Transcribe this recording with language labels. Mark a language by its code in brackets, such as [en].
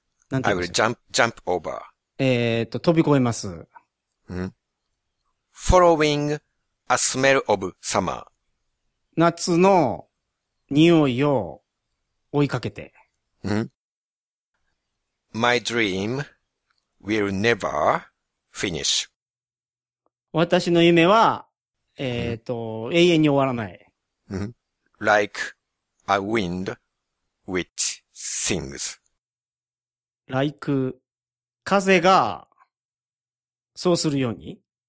[ja] なんていうの? [en] I will jump over. [ja] 飛び越えます。ん? [en] Following a smell of summer. [ja] 夏の匂いを追いかけて。ん? [en] My dream will never Finish. [ja] 私の夢は、永遠に終わらない。 [en] Like a wind which sings. [ja] Like 風がそうするように。